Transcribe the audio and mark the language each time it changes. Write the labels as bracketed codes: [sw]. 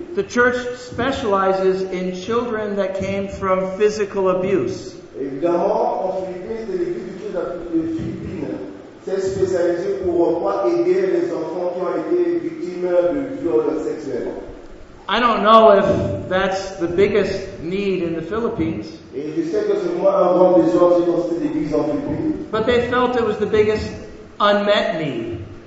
[en] The church specializes in children that came from physical abuse. [fr] Évidemment, en Philippines, c'est l'église de Philippines. C'est spécialisé pour aider les enfants qui ont été victimes de violences sexuelles. [en] I don't know if that's the biggest need in the Philippines. [fr] Et je sais que c'est moins un grand besoin dans cette église en Philippines. [en] But they felt it was the biggest unmet need.